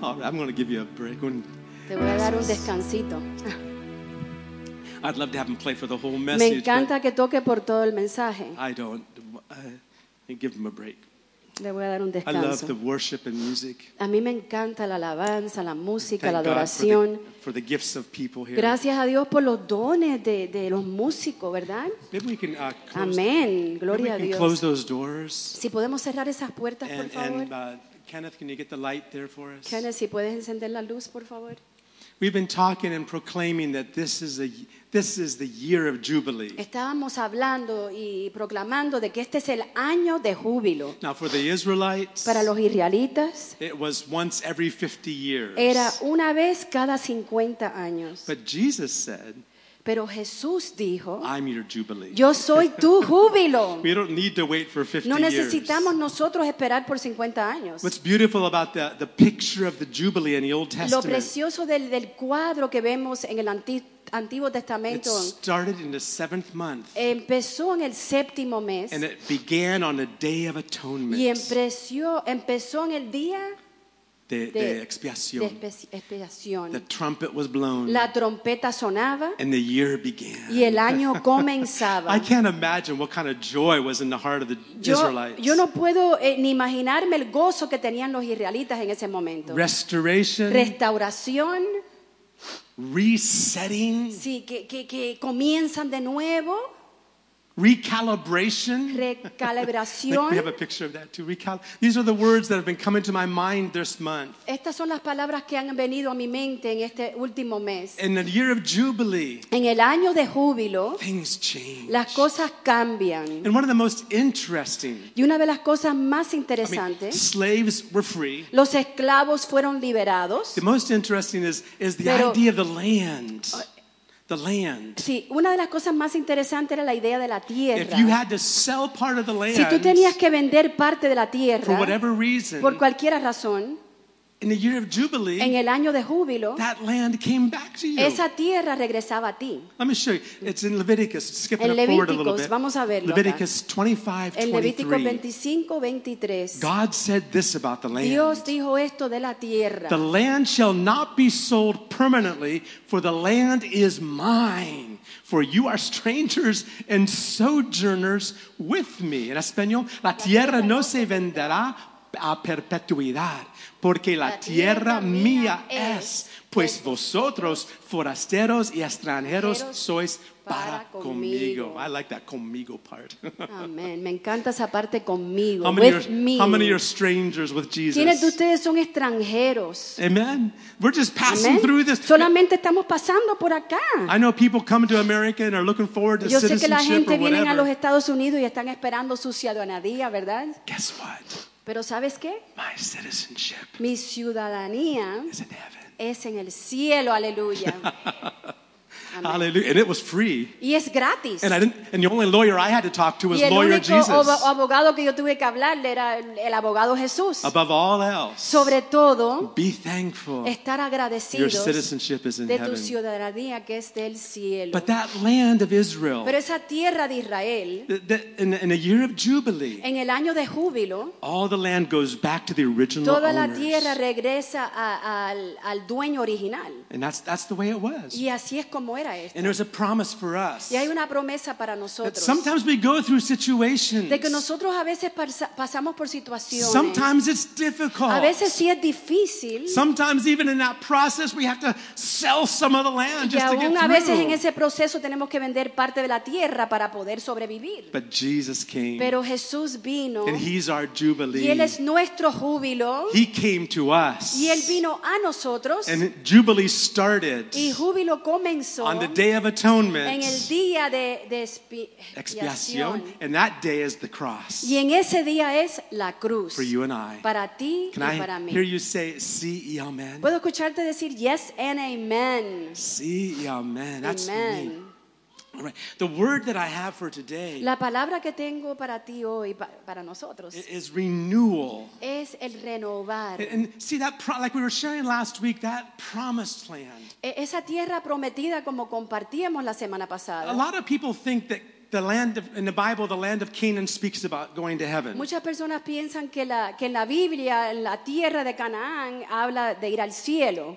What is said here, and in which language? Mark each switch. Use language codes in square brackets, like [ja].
[en] All right, I'm going to give you a break. [es] Te voy a dar un descansito. [en] I'd love to have him play for the whole message. [es] Me encanta que toque por todo el mensaje. [en] I don't. Give him a break. [es] Le voy a dar un descanso. [en] I love the worship and music. [es] A mí me encanta la alabanza, la música, thank la adoración. [en] For the gifts of people here. [es] Gracias a Dios por los dones de los músicos, ¿verdad? [en] Maybe we can, [es] amén. Gloria [en] maybe we [es] a Dios. [en] Can close those doors. [es] Si podemos cerrar esas puertas, [en] and, [es] por favor. [en] And, Kenneth, can you get the light there for us? [es] Kenneth, si puedes encender la luz, por favor. [en] We've been talking and proclaiming that this is the year of jubilee. [es] Estábamos hablando y proclamando de que este es el año de júbilo. [en] Now for the Israelites, [es] para los israelitas, [en] it was once every 50 years. [es] Era una vez cada 50 años. [en] But Jesus said, [es] pero Jesús dijo, [en] I'm your jubilee. [es] Yo soy tu júbilo. [en] We don't need to wait for 50 [es] no necesitamos years. Nosotros esperar por 50 años. [en] What's beautiful about the picture of the jubilee in the Old Testament? [es] Lo precioso del cuadro que vemos en el Antiguo Testamento. [en] It started in the seventh month. [es] Empezó en el séptimo mes. [en] And it began on the Day of Atonement. [es] Y empezó en el día De expiación. Expiación. [en] The trumpet was blown. [es] La trompeta sonaba. [en] And the year began. [es] Y el año comenzaba. [en] I can't imagine what kind of joy was in the heart of the Israelites. [es] Yo no puedo ni imaginarme el gozo que tenían los israelitas en ese momento. [en] Restoration. [es] Restauración. [en] Resetting. [es] Sí, que comienzan de nuevo. [en] Recalibration. [es] Recalibración. [en] We have a picture of that too. These are the words that have been coming to my mind this month. [es] Estas son las palabras que han venido a mi mente en este último mes. [en] In the year of jubilee. [es] En el año de júbilo. [en] Things change. [es] Las cosas cambian. [en] And one of the most interesting. [es] Y una de las cosas más interesantes. [en] I mean, slaves were free. [es] Los esclavos fueron liberados. [en] The most interesting is the [es] pero, [en] idea of the land. The land. [es] Sí, una de las cosas más interesantes era la idea de la tierra. [en] If you had to sell part of the land, [es] si tú tenías que vender parte de la tierra, [en] for whatever reason, [es] por cualquier razón, [en] in the year of jubilee, [es] en el año de júbilo, [en] that land came back to you. [es] Esa tierra regresaba a ti. [en] Let me show you. It's in Leviticus. Skipping [es] en Levíticos, [en] forward a little bit. [es] Vamos a verlo. [en] Leviticus 25:23. [es] En Levítico 25:23. [en] God said this about the land. [es] Dios dijo esto de la tierra. [en] The land shall not be sold permanently, for the land is mine. For you are strangers and sojourners with me. [es] En español, la tierra no se venderá a perpetuidad. Porque la tierra mía es, pues vosotros, forasteros y extranjeros, sois para conmigo. [en] I like that conmigo part. [es] Amén. Me encanta esa parte conmigo. [en] How many with me. How many are strangers with Jesus? [es] ¿Quiénes de ustedes son extranjeros? [en] Amen. We're just passing Amen. Through this. [es] Solamente estamos pasando por acá. [en] I know people come to America and are looking forward to [es] yo [en] citizenship [es] yo sé que la gente viene a los Estados Unidos y están esperando su ciudadanía, ¿verdad? [en] Guess what? [es] Pero ¿sabes qué? [en] My citizenship [es] mi ciudadanía [en] is in heaven. [es] Es en el cielo, aleluya. [en] Hallelujah. And it was free. [es] Y es gratis. [en] And the only lawyer I had to talk to was lawyer Jesus. [es] Y el único abogado que yo tuve que hablarle era el abogado Jesús. [en] Above all else, [es] sobre todo, [en] be thankful. [es] Estar agradecidos. [en] Your citizenship is in [es] de tu ciudadanía que es del cielo. [en] But that land of Israel. [es] Pero esa tierra de Israel. [en] In a year of jubilee. [es] En el año de júbilo. [en] All the land goes back to the original [es] toda [en] owners. [es] La tierra regresa al dueño original. [en] And that's the way it was. [es] Y así es como era. era esto. [en] And there's a promise for us. [es] Y hay una promesa para nosotros. [en] That sometimes we go through situations. [es] De que nosotros a veces pasamos por situaciones. [en] Sometimes it's difficult. [es] A veces sí es difícil. [en] Sometimes even in that process we have to sell some of the land just to get through. [es] Y aún a veces en ese proceso tenemos que vender parte de la tierra para poder sobrevivir. [en] But Jesus came. [es] Pero Jesús vino. [en] And he's our jubilee. [es] Y él es nuestro júbilo. [en] He came to us. [es] Y él vino a nosotros. [en] And jubilee started. [es] Y júbilo comenzó. [en] On the Day of Atonement. [es] En el día de expiación. [en] And that day is the cross. [es] Y en ese día es la cruz. [en] For you and I. [es] Para ti [en] Can [es] y para mí. [en] Hear you say [es] sí y amén. Puedo escucharte decir [en] yes and amen. [es] Sí y amén. [en] That's amen. Me. All right. The word that I have for today, [es] la palabra que tengo para ti hoy para nosotros, [en] is renewal. [es] Es el renovar. [en] And see that, like we were sharing last week, that promised land. [es] Esa tierra prometida como compartíamos la semana pasada. [en] A lot of people think that the land of, in the Bible, the land of Canaan speaks about going to heaven. [es] Muchas personas piensan que en la Biblia la tierra de Canaán habla de ir al cielo.